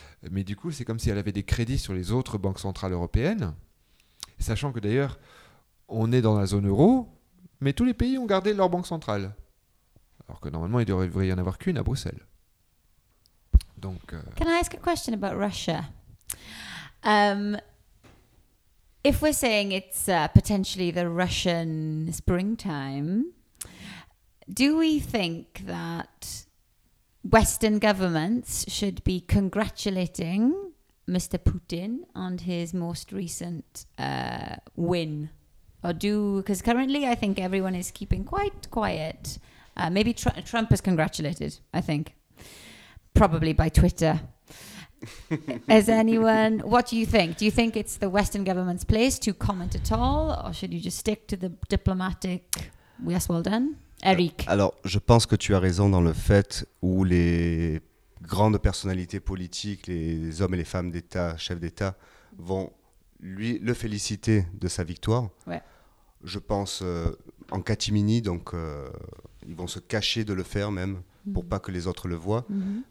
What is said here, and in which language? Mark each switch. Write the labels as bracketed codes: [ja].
[fr] Mais du coup, c'est comme si elle avait des crédits sur les autres banques centrales européennes, sachant que d'ailleurs, on est dans la zone euro, mais tous les pays ont gardé leur banque centrale. Alors que normalement, il devrait y en avoir qu'une à Bruxelles. Donc, [en] Can I ask a question about Russia? If we're saying it's potentially the Russian springtime, do we think that Western governments should be congratulating Mr. Putin on his most recent win? Or do, because currently I think everyone is keeping quite quiet. Maybe Trump has congratulated, I think, probably by Twitter. Has anyone, what do you think? Do you think it's the Western government's place to comment at all? Or should you just stick to the diplomatic, yes, well done? Eric. [fr] Alors, je pense que tu as raison dans le fait où les grandes personnalités politiques, les hommes et les femmes d'État, chefs d'État, vont lui le féliciter de sa victoire. Ouais. Je pense en catimini, donc ils vont se cacher de le faire même pour pas que les autres le voient. Mm-hmm.